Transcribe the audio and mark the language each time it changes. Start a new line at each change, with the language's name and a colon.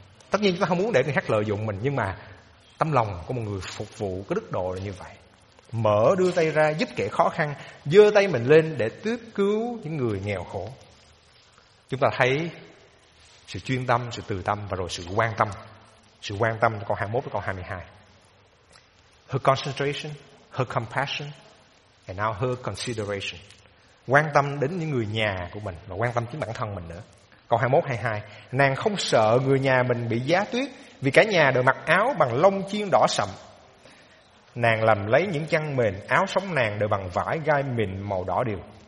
Vietnamese: Tất nhiên chúng ta không muốn để người khác lợi dụng mình, nhưng mà tấm lòng của một người phục vụ có đức độ là như vậy. mở đưa tay ra giúp kẻ khó khăn, giơ tay mình lên để tiếp cứu những người nghèo khổ. Chúng ta thấy sự chuyên tâm, sự từ tâm và rồi sự quan tâm. Sự quan tâm câu 21 và câu 22.
English: Her concentration, her compassion, and now her consideration.
Vietnamese: Quan tâm đến những người nhà của mình và quan tâm chính bản thân mình nữa. Câu 21-22, nàng không sợ người nhà mình bị giá tuyết vì cả nhà đều mặc áo bằng lông chiên đỏ sậm. Nàng làm lấy những chăn mền, áo sống nàng đều bằng vải gai mịn màu đỏ đều.